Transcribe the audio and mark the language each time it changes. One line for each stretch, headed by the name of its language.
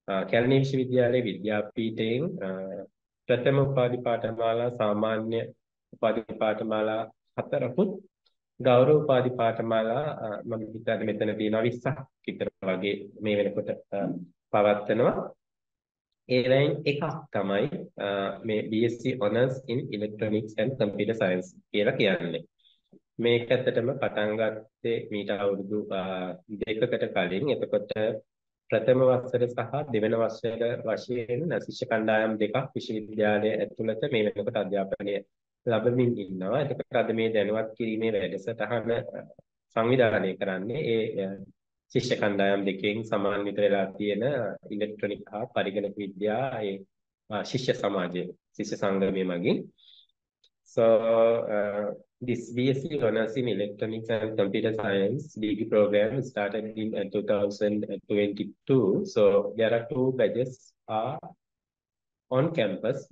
Sinhala: කැලණිය විශ්වවිද්‍යාලයේ විද්‍යාපීඨයෙන් ප්‍රථම උපාධි පාඨමාලා සාමාන්‍ය උපාධි පාඨමාලා 4කුත් ගෞරව උපාධි පාඨමාලා මම හිතන්නේ මෙතන තියෙනවා 20ක් විතර වගේ මේ වෙනකොට පවත්වනවා. ඒලයින් එකක් තමයි මේ BSc Honors in Electronics and Computer Science කියලා කියන්නේ. මේක ඇත්තටම පටන් ගත්තේ මීට අවුරුදු 2කට කලින්. එතකොට ප්‍රථම වසර සහ දෙවන වසර වශයෙන් ශිෂ්‍ය කණ්ඩායම් දෙකක් විශ්වවිද්‍යාලයේ ඇතුළත මේ වෙනකොට අධ්‍යාපනය ලබමින් ඉන්නවා. එතකොට අද මේ දැනුවත් කිරීමේ වැඩසටහන සංවිධානය කරන්නේ ඒ ශිෂ්‍ය කණ්ඩායම් දෙකෙන් සමන්විත වෙලා තියෙන ඉලෙක්ට්‍රොනික හා පරිගණක විද්‍යා ඒ ශිෂ්‍ය සමාජයේ ශිෂ්‍ය සංගමයේ මගින්.
English: So this BSc Honors in Electronics and Computer Science degree program started in 2022. So there are two badges are on campus.